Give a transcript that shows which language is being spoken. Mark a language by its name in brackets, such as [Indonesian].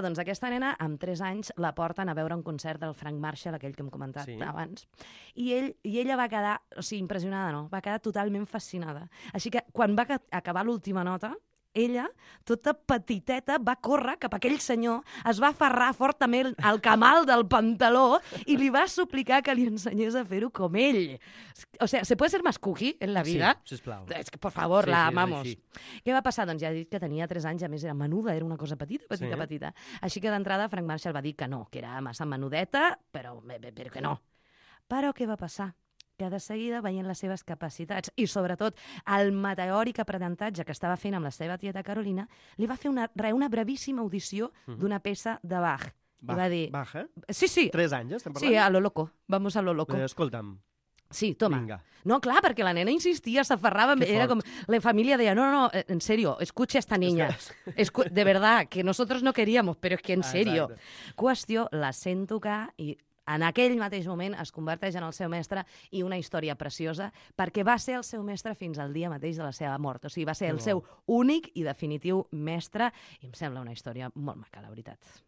[Catalan] Doncs aquesta nena, amb 3 anys, la porten a veure un concert del Frank Marshall, aquell que hem comentat abans, i ella va quedar, o sigui, impressionada, no? Va quedar totalment fascinada. Així que quan va acabar l'última nota, ella, tota petiteta, va córrer cap a aquell senyor, es va aferrar fortament al camal del pantaló i li va suplicar que li ensenyés a fer-ho com ell. [Spanish] O sea, ¿se puede ser más cuqui en la vida? [Catalan] Sí, sisplau. [Spanish] Es que, por favor, sí, la amamos. [Catalan] Sí, què va passar? Doncs ja ha dit que tenia 3 anys, a més era menuda, era una cosa petita, petita, petita. Així que d'entrada Frank Marshall va dir que no, que era massa menudeta, però que no. Però què va passar? Que de seguida, veient les seves capacitats i, sobretot, el meteòric aprenentatge que estava fent amb la seva tieta Carolina, li va fer una brevíssima audició d'una peça de Bach. Bach, va dir, Bach, eh? Sí, sí. 3 anys, estem parlant? [Spanish] Sí, a lo loco. Vamos a lo loco. [Catalan] Escolta'm. [Spanish] Sí, toma. [Catalan] Vinga. No, clar, perquè la nena insistia, s'aferrava. Era com... La família deia, no, [Spanish] en serio, escucha esta niña. De verdad, que nosotros no queríamos, pero es que en serio. [Catalan] Exacte. Qüestió, la sent tocar i... En aquell mateix moment es converteix en el seu mestre i una història preciosa perquè va ser el seu mestre fins al dia mateix de la seva mort. O sigui, va ser el seu únic i definitiu mestre i em sembla una història molt maca, la veritat.